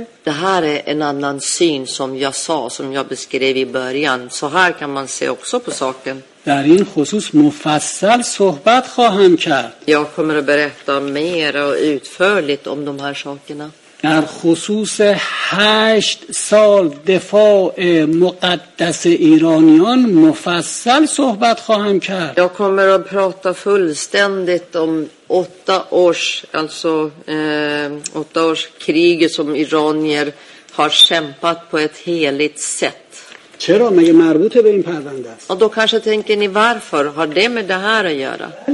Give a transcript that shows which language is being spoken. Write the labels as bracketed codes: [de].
[sv] Det här är en annan syn som jag sa, som jag beskrev i början. Så här kan man se också på saken. [fa] در این خصوص مفصل صحبت خواهم کرد. [sv] Jag kommer att berätta mer och utförligt om de här sakerna. [fa] در خصوص 8 سال دفاع مقدس ایرانیان مفصل صحبت خواهم کرد. [sv] Jag kommer att prata fullständigt om 8 års, alltså 8 års krig som iranier har kämpat på ett heligt sätt. [fa] چرا مگه مربوط به این پرونده است؟ [sv] Och då kanske tänker ni varför har det med det här att göra?